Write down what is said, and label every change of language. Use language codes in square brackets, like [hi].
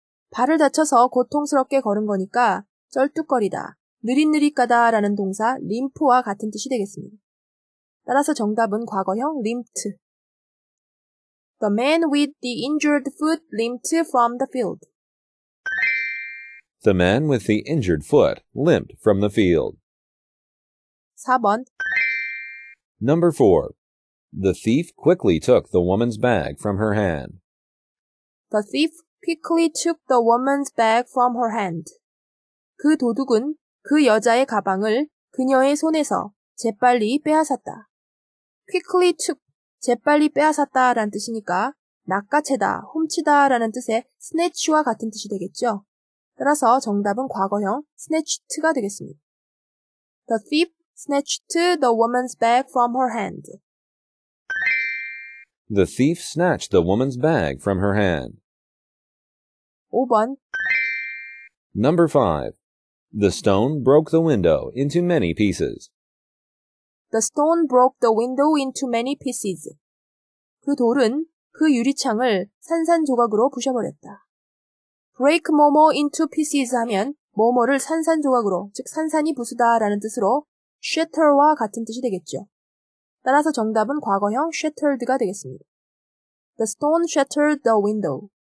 [ko] 발을 다쳐서 고통스럽게 걸은 거니까 쩔뚝거리다, 느릿느릿 가다 라는 동사 limp와 같은 뜻이 되겠습니다. 따라서 정답은 과거형 limped. [en] The man with the injured foot limped from the field. The man with the injured foot limped from the field. [ko] 4번 [en] Number 4. The thief quickly took the woman's bag from her hand. The thief quickly took the woman's bag from her hand. [ko] 그 도둑은 그 여자의 가방을 그녀의 손에서 재빨리 빼앗았다. [en] Quickly took, [ko] 재빨리 빼앗았다 라는 뜻이니까 낚아채다, 훔치다 라는 뜻의 snatch와 같은 뜻이 되겠죠. 따라서 정답은 과거형 snatched가 되겠습니다. [en] The thief snatched the woman's bag from her hand. The thief snatched the woman's bag from her hand. [ko] 5번 [en] Number 5. The stone broke the window into many pieces. The stone broke the window into many pieces. [ko] 그 돌은 그 유리창을 산산조각으로 부셔버렸다. Break 뭐뭐 into pieces 하면 뭐뭐를 산산조각으로, 즉 산산이 부수다 라는 뜻으로 shatter와 같은 뜻이 되겠죠. 따라서 정답은 과거형 shattered가 되겠습니다. [en] The stone shattered the window.